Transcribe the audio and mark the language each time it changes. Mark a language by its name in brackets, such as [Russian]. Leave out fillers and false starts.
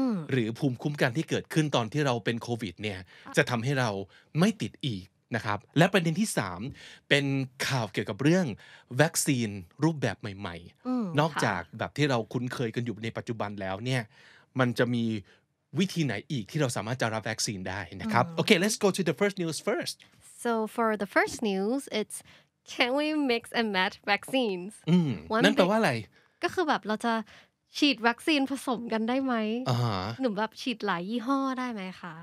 [Thai] หรือภูมิคุ้มกันที่เกิดขึ้นตอนที่เราเป็นโควิดเนี่ยจะทำให้เราไม่ติดอีกนะครับและประเด็นที่สามเป็นข่าวเกี่ยวกับเรื่องวัคซีนรูปแบบใหม่ ๆนอกจากแบบที่เราคุ้นเคยกันอยู่ในปัจจุบันแล้วเนี่ยมันจะมีวิธีไหนอีกที่เราสามารถจะรับวัคซีนได้นะครับโอเค [English] let's go to the first news first so for the first news it's can we mix and match vaccines [Thai] นั่นแปลว่าอะไร ก็คือแบบเราจะฉีดวัคซีนผสมกันได้ไหมหนุ่มแบบฉีดหลายยี่ห้อได้ไหมคะ